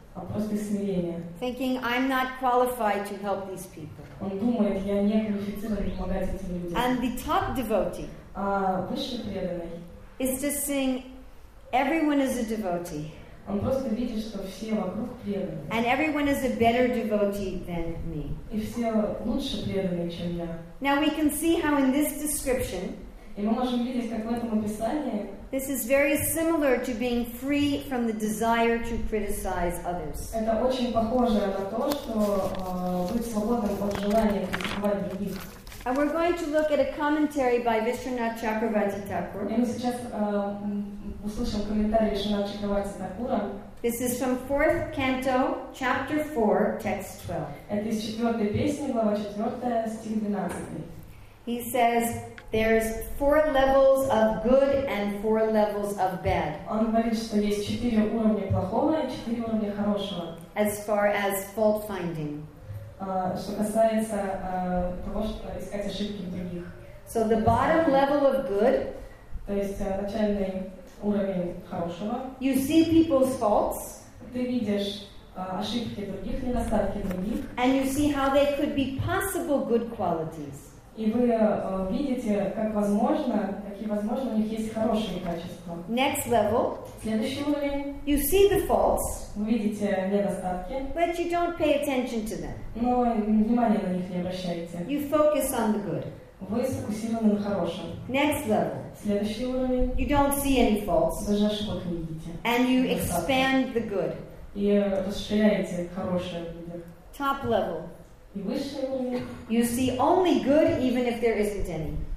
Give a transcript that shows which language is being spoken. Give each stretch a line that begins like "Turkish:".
English: Thinking, I'm not qualified to help these people.
Russian: Он думает, я не квалифицирован помогать этим людям.
English: And the top devotee.
Russian: А высший преданный.
English: Is just seeing everyone is a devotee.
Russian: Он просто видит, что все вокруг преданные.
English: And everyone is a better devotee than me.
Russian: И все лучше преданные, чем я.
English: Now we can see how in this description.
Russian: И мы можем видеть, как в этом описании.
English: This is very similar to being free from the desire to criticize others.
Russian: Это очень похоже на то, что быть свободным от желания критиковать других.
English: And we're going to look at a commentary by Vishwanath Chakravarti Thakur.
Russian: И мы сейчас услышим комментарий Вишванатха Чакраварти Такура.
English: This is from 4th Canto, Chapter 4, Text 12.
Russian: Это из 4-й песни, глава 4, стих 12.
English: He says, there's four levels of good and four levels of bad.
Russian: Он говорит, что есть 4 уровня плохого и 4 уровня хорошего.
English: As far as fault finding.
Russian: Что касается того, что искать ошибки в других.
English: So the bottom level of good.
Russian: То есть начальный уровень хорошего.
English: You see people's faults.
Russian: Ты видишь ошибки других, недостатки других.
English: And you see how they could be possible good qualities.
Russian: И вы видите, как возможно, какие возможно у них есть хорошие качества.
English: Next level.
Russian: Следующий уровень.
English: You see the faults.
Russian: Вы видите недостатки.
English: But you don't pay attention to them.
Russian: Но внимания на них не обращаете.
English: You focus on the good.
Russian: Вы сфокусированы на хорошем.
English: Next level.
Russian: Следующий уровень.
English: You don't see any faults.
Russian: Даже ошибок не видите.
English: And you expand the good.
Russian: И расширяете хорошее в людях.
English: Top level. You see only good, even if there isn't any.